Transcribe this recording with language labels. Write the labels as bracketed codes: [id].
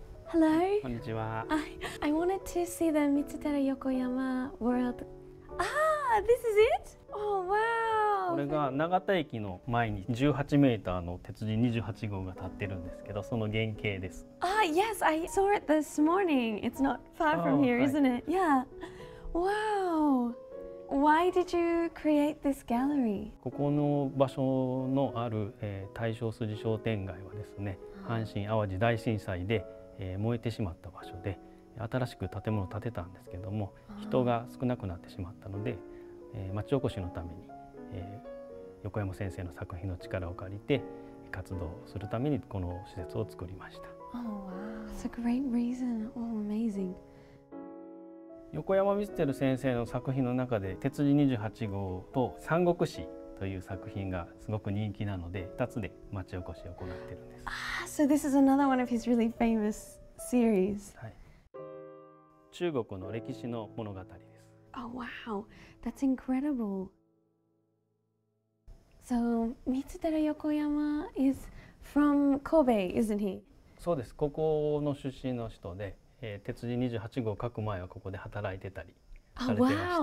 [en] Hello. [ja] Konnichiwa. [en] I wanted to see the Mitsuteru Yokoyama World. Ah, this is it? Oh, wow. [ja] これが長田駅の前に18メーターの鉄人28号が立ってるんですけど、その原型です。 [en] Ah, yes, I saw it this morning. It's not far from here, isn't it? Yeah. Wow. Why did you create this gallery? [ja] ここの場所のある、大正筋商店街はですね、阪神淡路大震災で、燃えてしまった場所で、新しく建物を建てたんですけども、人が少なくなってしまったので、町おこしのために、横山先生の作品の力を借りて活動するためにこの施設を作りました。 [en] Oh, wow. That's a great reason. Oh, amazing. [ja] 横山ミステル先生の作品の中で鉄人28号と三国志という作品がすごく人気なので2つで町おこしを行っているんです。 [en] Ah, so this is another one of his really famous series. [ja] はい。中国の歴史の物語です。 [en] Oh, wow. That's incredible. So, ミステル横山 is from Kobe, isn't he? [ja] そうです。ここの出身の人で鉄人28号を書く前はここで働いてたりされてました。